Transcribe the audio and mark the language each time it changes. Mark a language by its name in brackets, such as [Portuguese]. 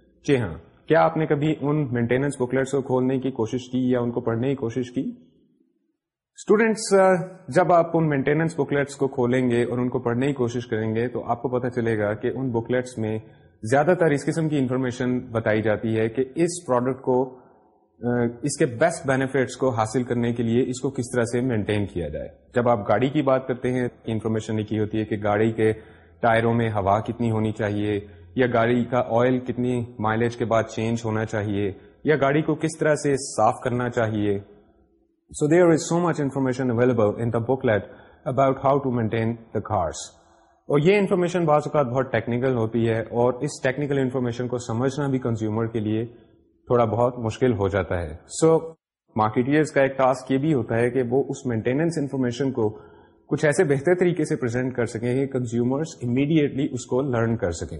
[Urdu] جی ہاں, کیا آپ نے کبھی ان مینٹیننس بکلیٹس کو کھولنے کی کوشش کی یا ان کو پڑھنے کی کوشش کی؟ اسٹوڈینٹس, جب آپ ان مینٹیننس بکلیٹس کو کھولیں گے اور ان کو پڑھنے کی کوشش کریں گے تو آپ کو پتہ چلے گا کہ ان بکلیٹس میں زیادہ تر اس قسم کی انفارمیشن بتائی جاتی ہے کہ اس پروڈکٹ کو اس کے بیسٹ بینیفٹس کو حاصل کرنے کے لیے اس کو کس طرح سے مینٹین کیا جائے. جب آپ گاڑی کی بات کرتے ہیں انفارمیشن لکھی ہوتی ہے کہ گاڑی کے ٹائروں میں ہوا کتنی ہونی چاہیے, یا گاڑی کا آئل کتنی مائلیج کے بعد چینج ہونا چاہیے, یا گاڑی کو کس طرح سے صاف کرنا چاہیے. [English] So there is so much information available in the book let about how to maintain the cars. [Urdu] اور یہ انفارمیشن بعض اوقات بہت ٹیکنیکل ہوتی ہے اور اس ٹیکنیکل انفارمیشن کو سمجھنا بھی کنزیومر کے لیے تھوڑا بہت مشکل ہو جاتا ہے. سو مارکیٹرز کا ایک ٹاسک یہ بھی ہوتا ہے کہ وہ اس مینٹیننس انفارمیشن کو کچھ ایسے بہتر طریقے سے پریزنٹ کر سکیں کہ کنزیومرز امیڈیٹلی اس کو لرن کر سکیں.